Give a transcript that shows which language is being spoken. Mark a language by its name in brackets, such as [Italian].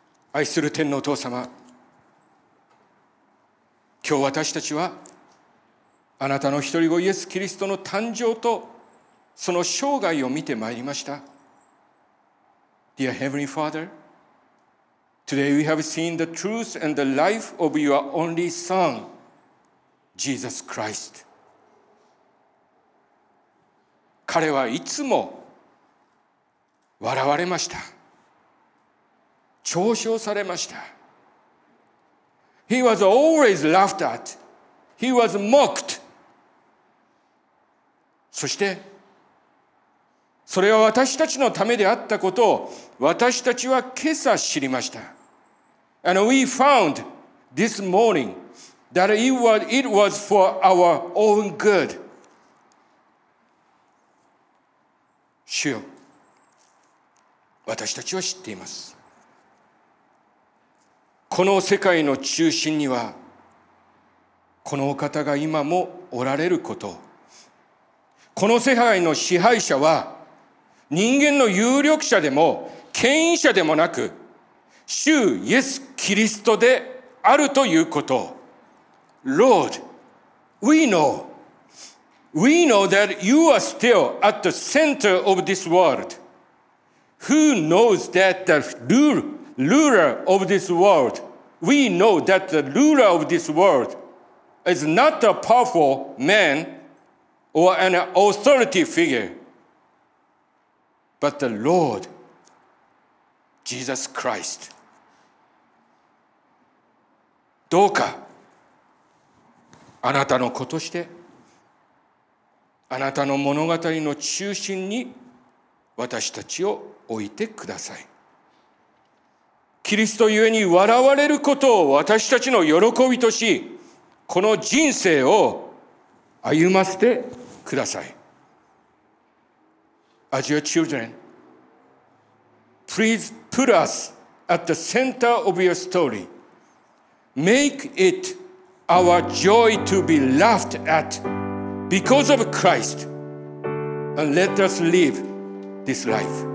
[Japanese] 愛する天のお父様、今日私たちはあなたの一人子イエス・キリストの誕生とその生涯を見てまいりました。 [English] Dear Heavenly Father, today we have seen the truth and the life of your only Son, Jesus Christ. [Japanese] 彼はいつも笑われました。 [English] 嘲笑されました。 He was always laughed at. He was mocked. [Japanese] そして、それは私たちのためであったことを私たちは今朝知りました。 [English] And we found this morning that it was for our own good. [Japanese] 主よ、私たちは知っています。この世界の中心にはこのお方が今もおられること、この世界の支配者は人間の有力者でも権威者でもなく主イエス・キリストであるということ。 [English] Lord, we know that you are still at the center of this world. Who knows that the ruler of this worldWe know that the ruler of this world is not a powerful man or an authority figure, but the Lord Jesus Christ. [Japanese] どうかあなたの子として、あなたの物語の中心に私たちを置いてください。キリストゆえに笑われることを私たちの喜びとし、この人生を歩ませてください。 [English] As your children, please put us at the center of your story. Make it our joy to be laughed at because of Christ. And let us live this life.